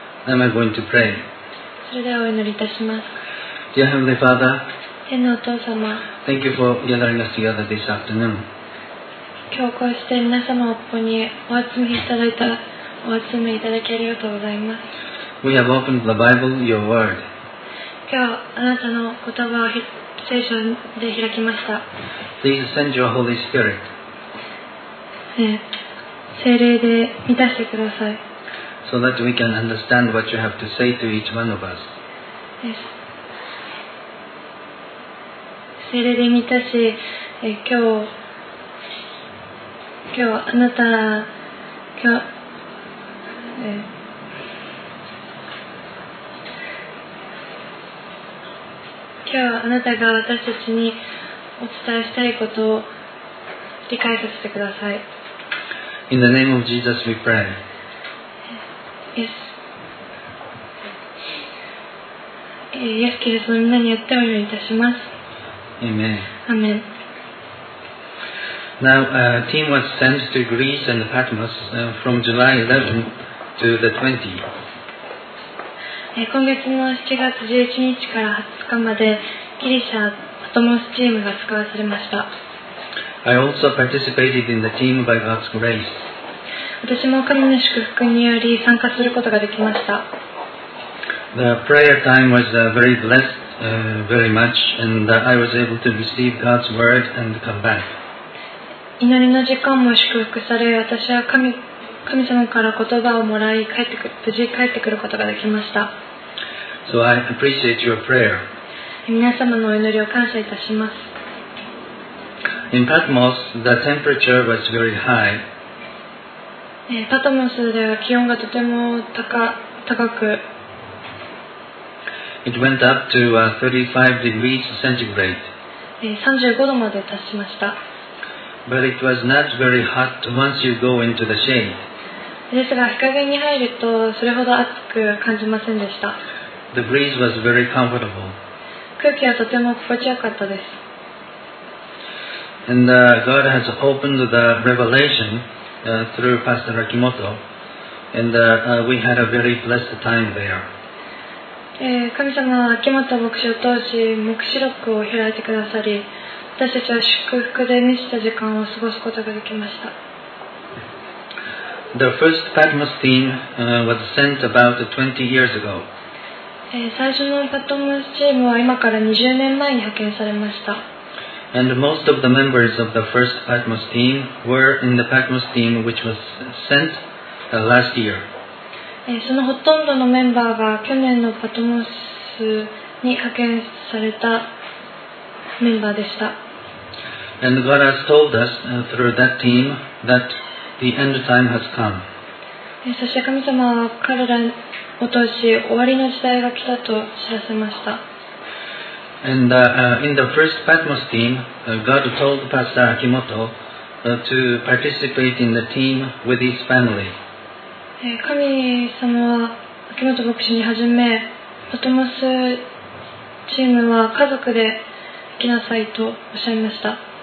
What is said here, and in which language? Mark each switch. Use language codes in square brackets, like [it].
[en] Am I going to pray? [ja] それではお祈りいたします。 [en] Dear Heavenly Father, [ja] 天のお父様、 [en] Thank you for gathering us together this afternoon. [ja] 今日こうして皆様をここにお集めいただきありがとうございます。 [en] We have opened the Bible, your word. [ja] 今日あなたの言葉を聖書で開きました。 [en] Please send your Holy Spirit. [ja] 聖霊で満たしてください。 [en] So that we can understand what you have to say to each one of us. [ja] 聖霊で満たし、今日あなた、今日あなたが私たちにお伝えしたいことを理解させてください。 [en] In the name of Jesus we pray. Yes. [ja] イエスキリストの皆によってお祈りいたします。 [en] Amen. Amen. Now a team was sent to Greece and Patmos from July 11 to the 20th. [ja] 今月の7月11日から20日までギリシャパトモスチームが使わされました。 [en] I also participated in the team by God's grace. [ja] 私も神の祝福により参加することができました。 [en] The prayer time was very blessed, very much, and I was able to receive God's word and come back. [ja] 祈りの時間も祝福され、私は神神様から言葉をもらい帰ってくる、無事帰ってくることができました。 [en] So I appreciate your prayer. [ja] 皆様のお祈りを感謝いたします。 [en] In Patmos, the temperature was very high. [ja] パトモスでは気温がとても高く。 [en] It went up to 35 degrees centigrade. [ja] 35度まで達しました。 [en] But it was not very hot once you go into the shade. [ja] ですが、日陰に入るとそれほど暑く感じませんでした。 [en] The breeze was very comfortable. [ja] 空気はとても心地よかったです。 [en] And God has opened the revelation through Pastor Akimoto, and we had a very blessed time there. [ja] 神様は秋元牧師を通し黙示録を開いてくださり、私たちは祝福で満ちた時間を過ごすことができました。 [en] The first Patmos team was sent about 20 years ago. [ja] 最初のパトモスチームは今から20年前に派遣されました。 [en] And most of the members of the first Patmos team were in the Patmos team which was sent last year. [ja] そのほとんどのメンバーが去年のパトモスに派遣されたメンバーでした。 [en] And God has told us through that team that the end time has come. [ja] そして神様は彼らを通し終わりの時代が来たと知らせました。 [en] And in the first Patmos team, God told Pastor Akimoto to participate in the team with his family. [ja] 神様は秋元牧師にはじめ、パトモスチームは家族で行きなさいとおっしゃいました。